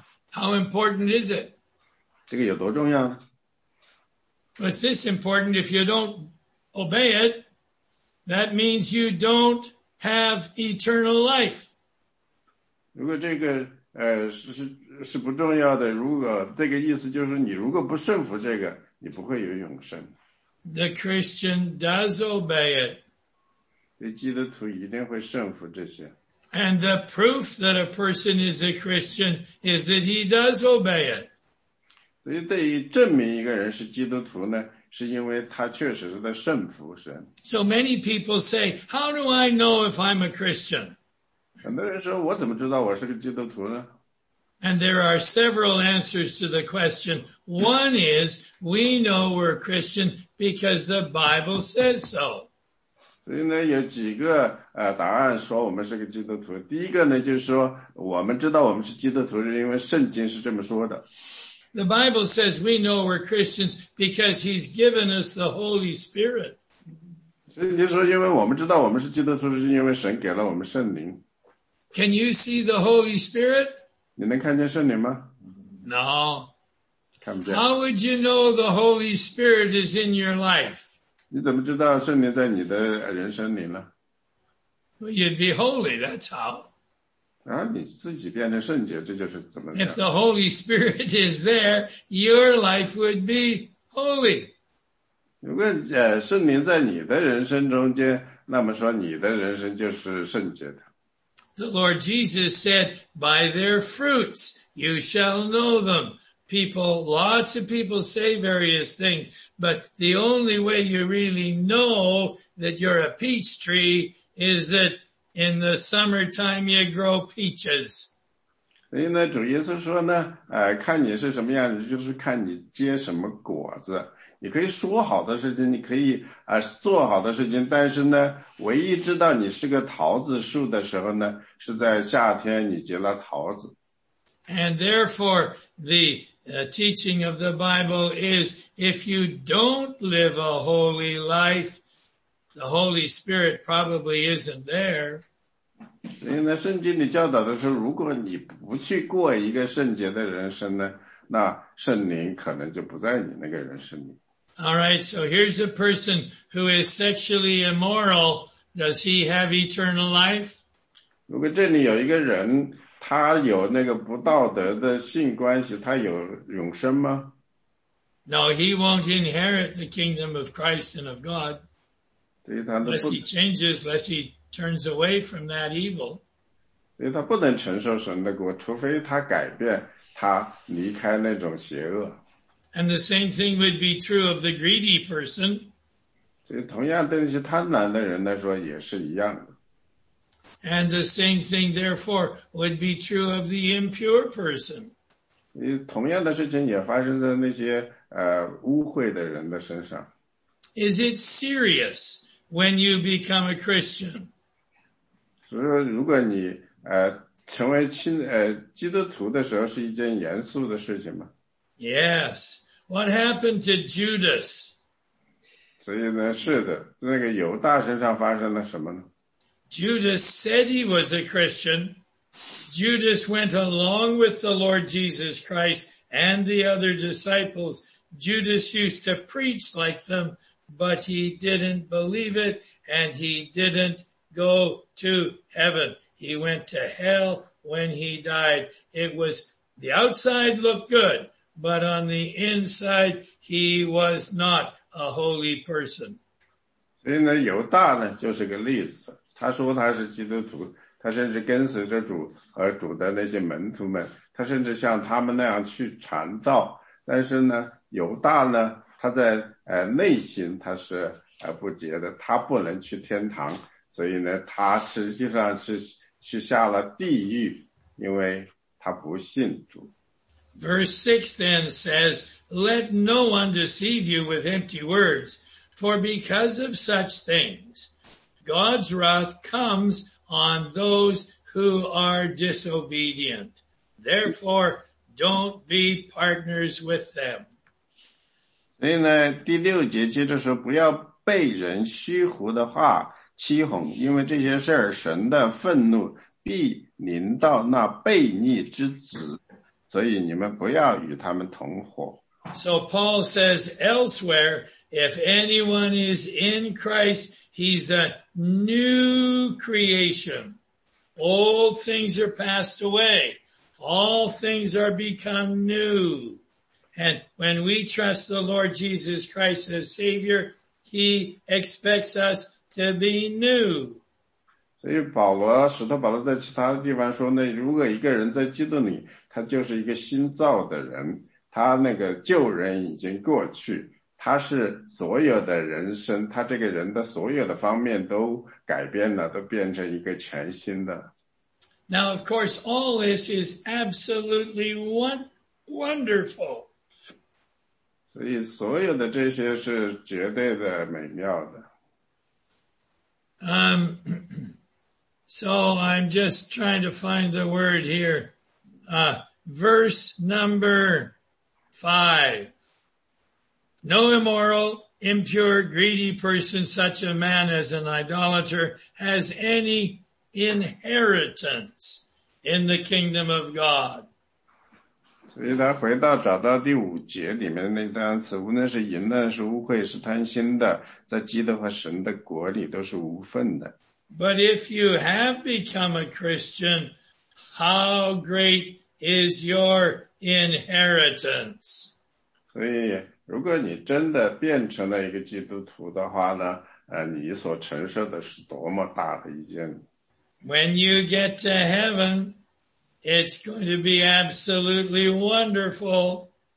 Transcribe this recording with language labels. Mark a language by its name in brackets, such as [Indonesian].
[English] How important is it? [Chinese] 这个有多重要？ [English] Is this important if you don't obey it? That means you don't have eternal life. [Chinese] 如果这个是不重要的，如果这个意思就是你如果不顺服这个，你不会有永生。 [English] The Christian does obey it. [Chinese] 所以基督徒一定会顺服这些。 [English] And the proof that a person is a Christian is that he does obey it. [Chinese] 所以对于证明一个人是基督徒呢，是因为他确实是在顺服神。 [English] So many people say, how do I know if I'm a Christian? [Chinese] 很多人说，我怎么知道我是个基督徒呢？ [English] And there are several answers to the question. One is, we know we're Christian because the Bible says so. [Chinese] 所以呢，有几个答案说我们是个基督徒。第一个呢，就是说，我们知道我们是基督徒，是因为圣经是这么说的。 [English] The Bible says we know we're Christians because he's given us the Holy Spirit. [Chinese] 所以你说因为我们知道我们是基督徒，是因为神给了我们圣灵。 [English] Can you see the Holy Spirit? [Chinese] 你能看见圣灵吗？ [English] No. [Chinese] 看不见。 [English] How would you know the Holy Spirit is in your life? [Chinese] 你怎么知道圣灵在你的人生里呢？ [English] Well, you'd be holy, that's how. [Chinese] 然后你自己变成圣洁，这就是怎么样。 [English] If the Holy Spirit is there, your life would be holy. [Chinese] 如果圣灵在你的人生中间，那么说你的人生就是圣洁的。 [English] The Lord Jesus said, by their fruits, you shall know them. People, lots of people say various things, but the only way you really know that you're a peach tree is thatIn the summertime, you grow peaches. [Chinese] 所以呢，主耶稣说呢，看你是什么样子，就是看你结什么果子。你可以说好的事情，你可以做好的事情，但是呢，唯一知道你是个桃子树的时候呢，是在夏天你结了桃子。 [English] And therefore, the teaching of the Bible is, if you don't live a holy life,The Holy Spirit probably isn't there. [Chinese] 所以呢，圣经里教导的是，如果你不去过一个圣洁的人生呢，那圣灵可能就不在你那个人生里。 [English] All right, so here's a person who is sexually immoral. Does he have eternal life? [Chinese] 如果这里有一个人，他有那个不道德的性关系，他有永生吗？ [English] No, he won't inherit the kingdom of Christ and of God. Unless he changes, unless he turns away from that evil. [Chinese] 所以他不能承受神的国，除非他改变，他离开那种邪恶。 [English] And the same thing would be true of the greedy person. [Chinese] 所以同样对那些贪婪的人来说也是一样的。 [English] And the same thing, therefore, would be true of the impure person. [Chinese] 所以同样的事情也发生在那些污秽的人的身上。 [English] Is it serious? When you become a Christian. [Chinese] 所以说，如果你成为基督徒的时候，是一件严肃的事情嘛。 [English] Yes, what happened to Judas? [Chinese] 所以呢，是的，那个犹大身上发生了什么呢？ [English] Judas said he was a Christian. Judas went along with the Lord Jesus Christ and the other disciples. Judas used to preach like them, but he didn't believe it, and he didn't go to heaven. He went to hell when he died. It was, the outside looked good, but on the inside, he was not a holy person. [Chinese] 所以呢，犹大呢，就是个例子。他说他是基督徒，他甚至跟随着主和主的那些门徒们，他甚至像他们那样去传道。但是呢，犹大呢，他在内心他是不洁的，他不能去天堂，所以呢，他实际上是去下了地狱，因为他不信主。 [English] Verse 6 then says, Let no one deceive you with empty words, for because of such things, God's wrath comes on those who are disobedient. Therefore, don't be partners with them. [Chinese] 所以呢，第六节接着说，不要被人虚胡的话欺哄，因为这些事儿，神的愤怒必临到那悖逆之子，所以你们不要与他们同伙。 [English] So Paul says elsewhere, if anyone is in Christ, he's a new creation. Old things are passed away. All things are become new. And when we trust the Lord Jesus Christ as Savior, He expects us to be new. [Chinese] 所以保罗，使徒保罗在其他地方说呢，如果一个人在基督里，他就是一个新造的人，他那个旧人已经过去，他是所有的人生，他这个人的所有的方面都改变了，都变成一个全新的。 [English] Now, of course, all this is absolutely wonderful. [Chinese] 所以所有的这些是绝对的美妙的。 [English] So I'm just trying to find the word here. Verse number 5. No immoral, impure, greedy person, such a man as an idolater, has any... inheritance in the kingdom of God. [Chinese] 所以他回到找到第五节里面的那单词，无论是淫乱，是污秽，是贪心的，在基督和神的国里都是无份的。 [English] But if you have become a Christian, how great is your inheritance? [Chinese] 所以如果你真的变成了一个基督徒的话呢，你所承受的是多么大的一件。 [English] When you get to heaven, it's going to be absolutely wonderful.